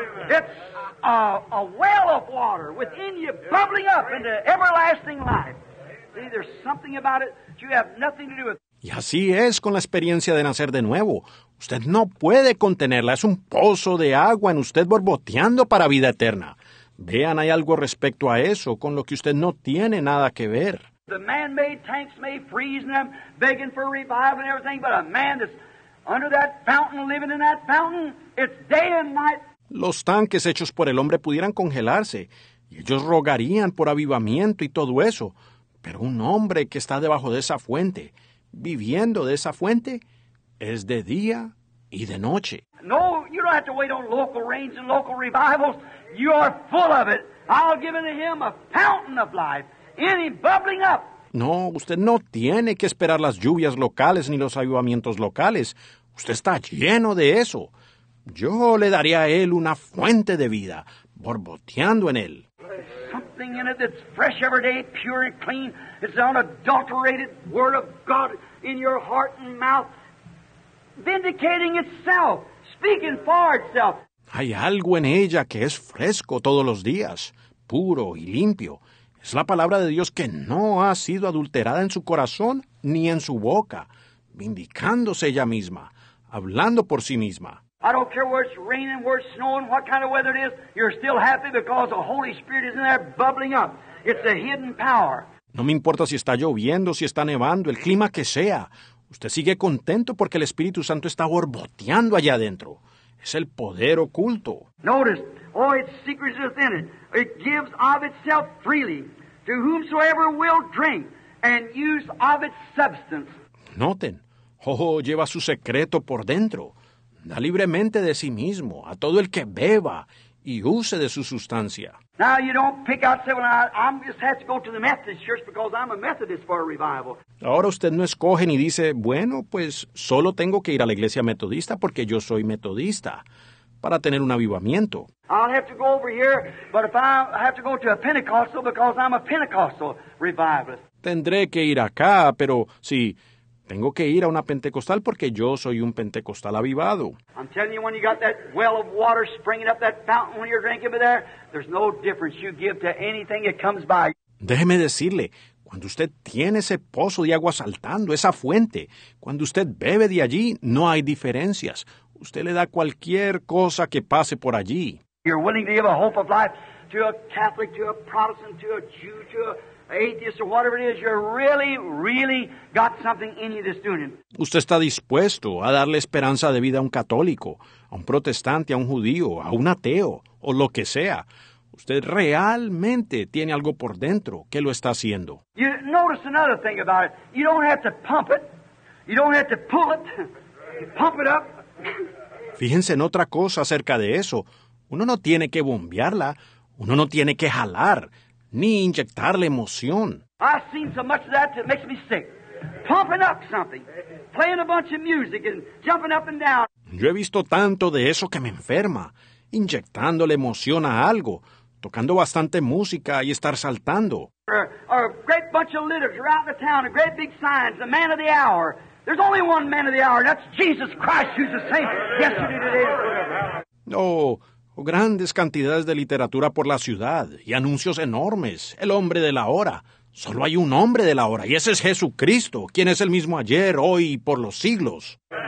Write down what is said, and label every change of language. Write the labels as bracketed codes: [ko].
[en] It's a well of water within you bubbling up into everlasting life. See, there's something about it that you have nothing to do with. [es] Y así es con la experiencia de nacer de nuevo. Usted no puede contenerla. Es un pozo de agua en usted borboteando para vida eterna. Vean, hay algo respecto a eso con lo que usted no tiene nada que ver. [en] The man-made tanks may freeze and I'm begging for revival and everything, but a man that's under that fountain, living in that fountain, it's day and night. [es] Los tanques hechos por el hombre pudieran congelarse y ellos rogarían por avivamiento y todo eso, pero un hombre que está debajo de esa fuente, viviendo de esa fuente, es de día y de noche. [en] No, you don't have to wait on local rains and local revivals. You are full of it. I'll give unto him a fountain of life. Any bubbling up. [es] No, usted no tiene que esperar las lluvias locales ni los avivamientos locales. Usted está lleno de eso. Yo le daría a él una fuente de vida, borboteando en él. [en] Something in it that's fresh every day, pure and clean. It's an unadulterated word of God in your heart and mouth, vindicating itself, speaking for itself. [es] Hay algo en ella que es fresco todos los días, puro y limpio. Es la palabra de Dios que no ha sido adulterada en su corazón ni en su boca, vindicándose ella misma, hablando por sí misma. [en] I don't care where it's raining, where it's snowing, what kind of weather it is, you're still happy because the Holy Spirit is in there bubbling up. It's a hidden power. [es] No me importa si está lloviendo, si está nevando, el clima que sea. Usted sigue contento porque el Espíritu Santo está borboteando allá adentro. Es el poder oculto. [en] Notice, oh, its secret is in it. It gives of itself freely to whomsoever will drink and use of its substance. [es] Noten, oh, lleva su secreto por dentro. Da libremente de sí mismo a todo el que beba y use de su sustancia. [en] Now you don't pick out seven. I'm just have to go to the Methodist church because I'm a Methodist for a revival. [es] Ahora usted no escoge ni dice, bueno, pues solo tengo que ir a la iglesia metodista porque yo soy metodista para tener un avivamiento. [en] I'll have to go over here, but if I have to go to a Pentecostal because I'm a Pentecostal revivalist. [es] Tendré que ir acá, pero sí. Tengo que ir a una pentecostal porque yo soy un pentecostal avivado. [en] I'm telling you, when you got that well of water springing up that fountain when you're drinking over there, there's no difference you give to anything that comes by. [es] Déjeme decirle, cuando usted tiene ese pozo de agua saltando, esa fuente, cuando usted bebe de allí, no hay diferencias. Usted le da cualquier cosa que pase por allí. [en] You're willing to give a hope of life to a Catholic, to a Protestant, to a Jew, to a atheist or whatever it is, you're really, really got something in you this doing. [es] Usted está dispuesto a darle esperanza de vida a un católico, a un protestante, a un judío, a un ateo, o lo que sea. Usted realmente tiene algo por dentro que lo está haciendo. [en] You notice another thing about it. You don't have to pump it. You don't have to pull it. You pump it up. [es] Fíjense en otra cosa acerca de eso. Uno no tiene que bombearla. Uno no tiene que jalar. Ni inyectarle emoción. [en] I've seen so much of that it makes me sick. Pumping up something. Playing a bunch of music and jumping up and down. [es] Yo he visto tanto de eso que me enferma. Inyectándole emoción a algo. Tocando bastante música y estar saltando. [en] Or a great bunch of literature out in the town. A great big sign. The man of the hour. There's only one man of the hour. And that's Jesus Christ, who's the same yesterday, today. [es] O grandes cantidades de literatura por la ciudad y anuncios enormes. El hombre de la hora. Solo hay un hombre de la hora y ese es Jesucristo, quien es el mismo ayer, hoy y por los siglos.